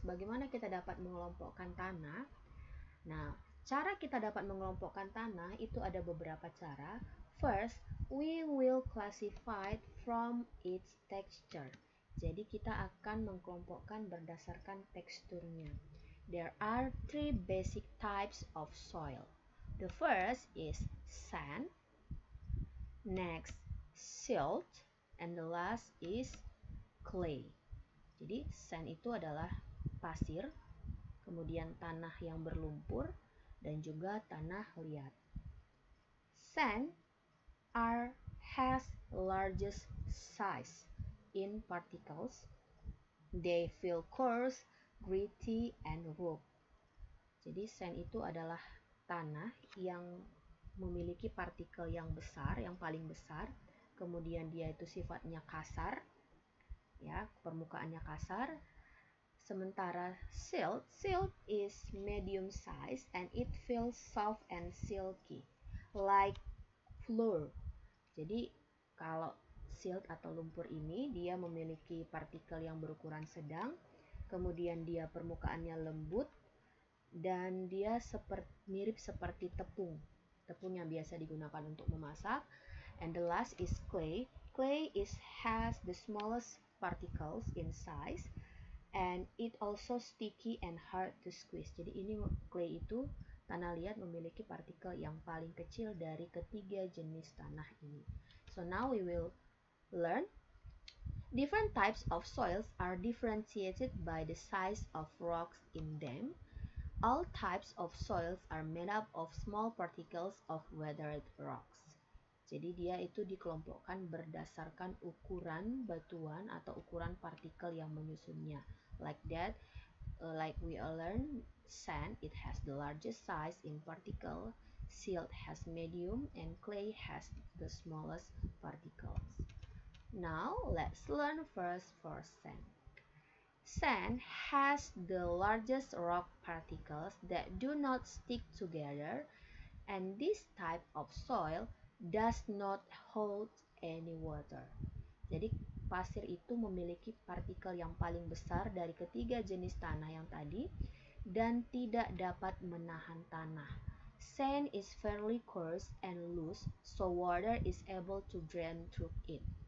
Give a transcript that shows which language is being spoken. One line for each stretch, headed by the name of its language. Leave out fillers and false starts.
Indonesian: Bagaimana kita dapat mengelompokkan tanah? Nah, cara kita dapat mengelompokkan tanah itu ada beberapa cara.
English: First, we will classify from its texture.
Indonesian: Jadi kita akan mengkelompokkan berdasarkan teksturnya.
English: There are three basic types of soil. The first is sand, next silt, and the last is clay.
Indonesian: Jadi sand itu adalah pasir, kemudian tanah yang berlumpur, dan juga tanah liat.
English: Sand has largest size in particles. They feel coarse, gritty, and rough.
Indonesian: Jadi sand itu adalah tanah yang memiliki partikel yang besar, yang paling besar. Kemudian dia itu sifatnya kasar, ya, permukaannya kasar. Sementara
English: silt is medium size and it feels soft and silky, like flour.
Indonesian: Jadi kalau silt atau lumpur ini dia memiliki partikel yang berukuran sedang, kemudian dia permukaannya lembut dan dia mirip seperti tepung. Tepung yang biasa digunakan untuk memasak.
English: And the last is clay. Clay has the smallest particles in size and it also sticky and hard to squeeze.
Indonesian: Jadi ini clay itu tanah liat memiliki partikel yang paling kecil dari ketiga jenis tanah ini.
English: So now we will learn. Different types of soils are differentiated by the size of rocks in them. All types of soils are made up of small particles of weathered rocks.
Indonesian: Jadi dia itu dikelompokkan berdasarkan ukuran batuan atau ukuran partikel yang menyusunnya.
English: Like that, like we all learn, sand, it has the largest size in particle, silt has medium, and clay has the smallest particles. Now, let's learn first for sand. Sand has the largest rock particles that do not stick together, and this type of soil does not hold any water.
Indonesian: Jadi, pasir itu memiliki partikel yang paling besar dari ketiga jenis tanah yang tadi, dan tidak dapat menahan tanah.
English: Sand is fairly coarse and loose, so water is able to drain through it.